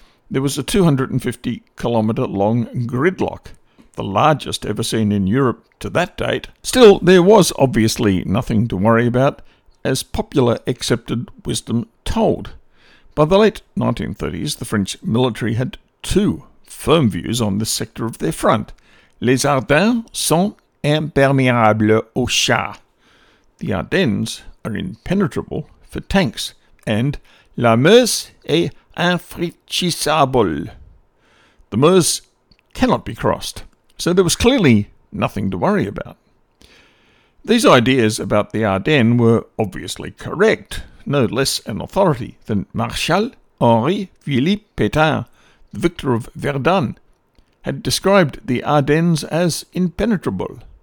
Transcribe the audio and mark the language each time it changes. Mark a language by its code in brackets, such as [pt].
[en] There was a 250-kilometre-long gridlock, the largest ever seen in Europe to that date. Still, there was obviously nothing to worry about, as popular accepted wisdom told. By the late 1930s, the French military had two firm views on this sector of their front. [fr] Les Ardennes sont imperméables aux chars. [en] The Ardennes are impenetrable for tanks. And [fr] la Meuse est infranchissable. [en] The Meuse cannot be crossed, so there was clearly nothing to worry about. These ideas about the Ardennes were obviously correct, no less an authority than Marshal Henri Philippe Petain, the victor of Verdun, had described the Ardennes as impenetrable.